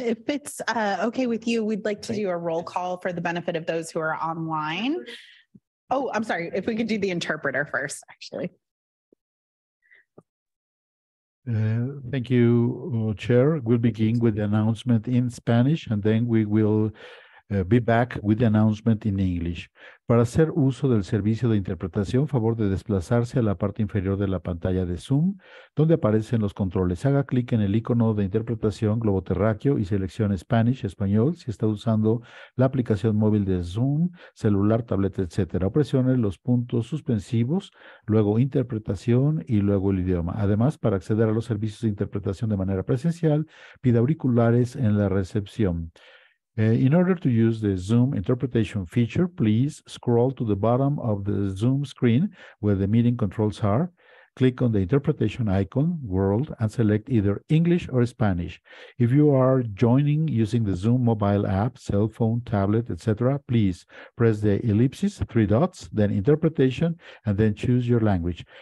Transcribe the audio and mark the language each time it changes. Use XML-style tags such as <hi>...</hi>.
<en>If it's okay with you, we'd like to do a roll call for the benefit of those who are online. Oh, I'm sorry. If we could do the interpreter first, actually. Thank you, Chair. We'll begin with the announcement in Spanish, and then we will be back with the announcement in English.</en> <es>Para hacer uso del servicio de interpretación, favor de desplazarse a la parte inferior de la pantalla de Zoom, donde aparecen los controles. Haga clic en el icono de interpretación globo terráqueo y seleccione Spanish, español, si está usando la aplicación móvil de Zoom, celular, tableta, etc. O presione los puntos suspensivos, luego interpretación y luego el idioma. Además, para acceder a los servicios de interpretación de manera presencial, pida auriculares en la recepción.</es> <en>In order to use the Zoom interpretation feature, please scroll to the bottom of the Zoom screen where the meeting controls are. Click on the interpretation icon, world, and select either English or Spanish. If you are joining using the Zoom mobile app, cell phone, tablet, etc., please press the ellipsis, three dots, then interpretation, and then choose your language.</en>